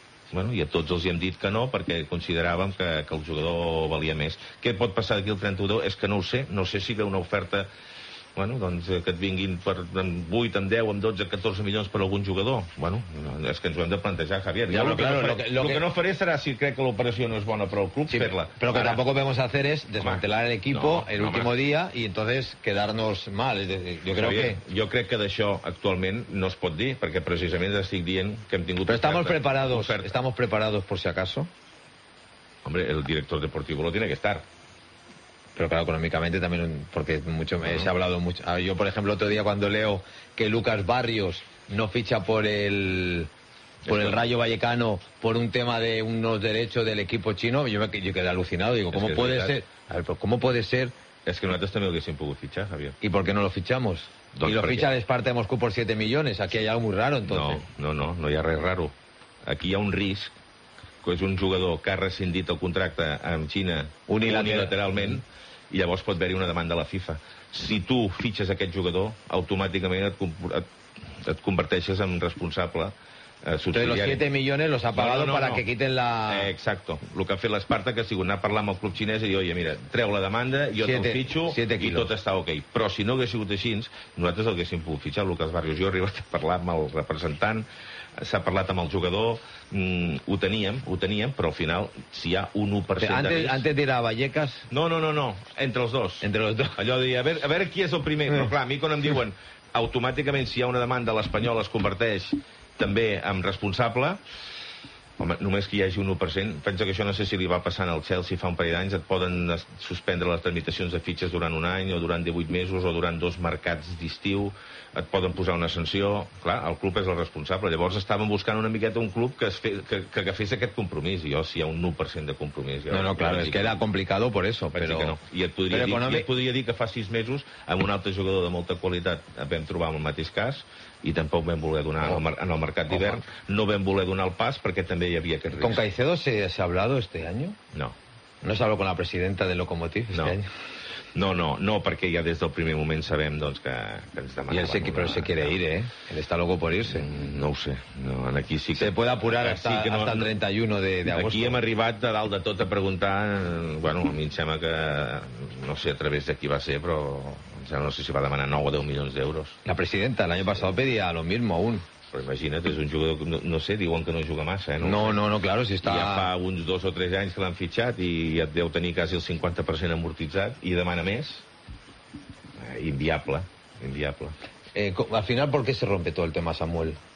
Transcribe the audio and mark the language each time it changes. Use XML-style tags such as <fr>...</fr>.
<ca>Bueno, i a tots els hi hem dit que no, perquè consideràvem que el jugador valia més. Què pot passar d'aquí el 31? És que no ho sé. No sé si ve una oferta... bueno, doncs, que et vinguin per 8, amb 10, amb 12, 14 milions per algun jugador. Bueno, és que ens ho hem de plantejar, Javier. Ja, claro, lo que no faré serà, si crec que l'operació no és bona per al club, sí, fer-la. Però que tampoc</ca> <es>vamos a hacer es desmantelar el equipo el último día y entonces quedarnos mal.</es> <ca>Jo crec que d'això actualment no es pot dir, perquè precisament estic dient que hem tingut...</ca> <es>Però estamos preparados, estamos preparados por si acaso. Hombre, el director deportivo lo tiene que estar. Pero claro, económicamente también, porque mucho me he hablado mucho. Yo, por ejemplo, otro día cuando leo que Lucas Barrios no ficha por el Rayo Vallecano por un tema de unos derechos del equipo chino, yo quedé alucinado. Digo, ¿cómo puede ser? A ver, ¿cómo puede ser? Es que nosotros también lo hubiésemos podido fichar, Javier. ¿Y por qué no lo fichamos? Y lo ficha el Esparta de Moscú por 7 millones. Aquí hay algo muy raro, entonces. No hay algo raro.</es> <ca>Aquí hay un risk, que és un jugador que ha rescindit el contracte amb Xina unilateralment, i llavors pot haver-hi una demanda a la FIFA. Si tu fitxes aquest jugador, automàticament et converteixes en responsable subsidiari.</ca> <es>Entonces los 7 millones los ha pagado que quiten la... Exacto.</es> <ca>Lo que ha fet l'Esparta, que ha sigut anar a parlar amb el club xinès i dir,</ca> <es>oye, mira,</es> <ca>treu la demanda, jo te'l fitxo i tot està ok. Però si no hagués sigut així, nosaltres el haguéssim pogut fitxar, Lucas Barrios. Jo he arribat a parlar amb el representant, s'ha parlat amb el jugador, ho teníem, però al final, si hi ha un 1%</ca> <es>antes,</es> <ca>de risc...</ca> <es>Antes de ir a Vallecas...</es> <ca>No, entre els dos. Entre els dos. Allò de dir, a veure qui és el primer. Però clar, a mi quan em diuen, automàticament, si hi ha una demanda, l'Espanyol es converteix també en responsable, home, només que hi hagi un 1%, penso que això no sé si li va passar al Chelsea fa un parell d'anys, et poden suspendre les tramitacions de fitxes durant un any, o durant 18 mesos, o durant dos mercats d'estiu, et poden posar una sanció, clar, el club és el responsable. Llavors estàvem buscant una miqueta un club que fes aquest compromís, i si hi ha un 1% de compromís. No, clar, és que era complicat per això, però... No. I et podria dir que fa 6 mesos, amb un altre jugador de molta qualitat, vam trobar en el mateix cas, i tampoc vam voler donar en el mercat d'hivern, no vam voler donar el pas perquè també hi havia aquest risc.</ca> <es>¿Con Caicedo se ha hablado este año? No. ¿No se habló con la presidenta del Lokomotiv este año?</es> <ca>No, perquè ja des del primer moment sabem doncs, que ens demanaven...</ca> <es>Però se quiere ir, ¿eh? Él está loco por irse.</es> <ca>No ho sé. No, aquí sí que...</ca> <es>Se puede apurar hasta el 31 d'agost.</es> <ca>Aquí hem arribat de dalt de tot a preguntar... Bueno, a mi em sembla que... No sé a través de qui va ser, però... No sé si va demanar 9 o 10 milions d'euros.</ca> <es>La presidenta,</es> <ca>l'any passat</ca> <es>pedia lo mismo aún.</es> <ca>Però imagina't, és un jugador que, no sé, diuen que no juga massa, eh? No, claro, si està... Ja fa uns 2 o 3 anys que l'han fitxat i ja deu tenir quasi el 50% amortitzat i demana més. Inviable.</ca> <es>Al final, ¿por qué se rompe todo el tema Samuel?</es>